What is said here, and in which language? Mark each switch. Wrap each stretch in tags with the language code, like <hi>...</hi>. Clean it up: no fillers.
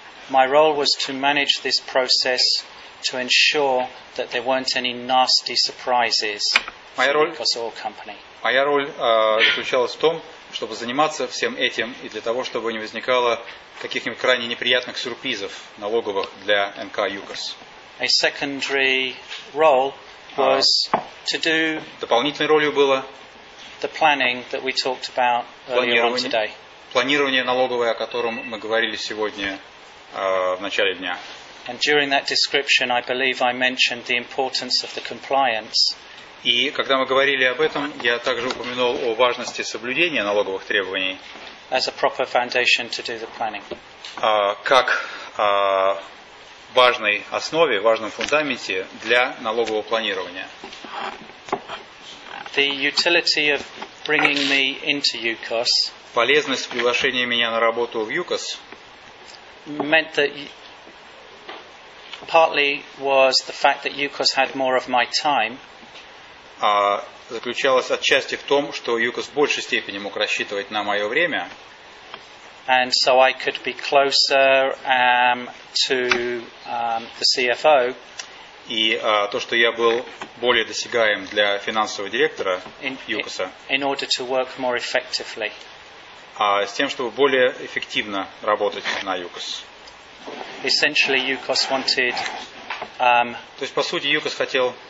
<en>My role was to manage this process to ensure that there weren't any nasty surprises for Lucas Oil Company.</en> <ru>Моя роль заключалась в том, чтобы заниматься всем этим и для того, чтобы не возникало каких-нибудь крайне неприятных сюрпризов налоговых для НК ЮКОС.</ru> <en>A secondary role was to do</en> <ru>дополнительной ролью было</ru> <en>the planning that we talked about earlier on today.</en> <ru>Планирование налоговое, о котором мы говорили сегодня в начале дня.</ru> <en>And during that description, I believe I mentioned the importance of the compliance.</en> <ru>И когда мы говорили об этом, я также упомянул о важности соблюдения налоговых требований</ru> <en>as a proper foundation to do the planning.</en> <ru>Как важной основе, важном фундаменте для налогового планирования.</ru> <en>The utility of bringing me into UCOS</en> <ru>полезность приглашения меня на работу в UCOS</ru> <en>meant that partly was the fact that UCOS had more of my time.</en> <ru>Заключалась отчасти в том, что UCOS в большей степени мог рассчитывать на мое время.</ru> <en>And so I could be closer to the CFO.</en> <ru>И то, что я был более досягаем для финансового директора ЮКОСа.</ru> <en>In order to work more effectively.</en> <ru>С тем, чтобы более эффективно работать на ЮКОС.</ru> <en>Essentially, UCOS wanted.</en> <ru>То есть, по сути, ЮКОС хотел.</ru>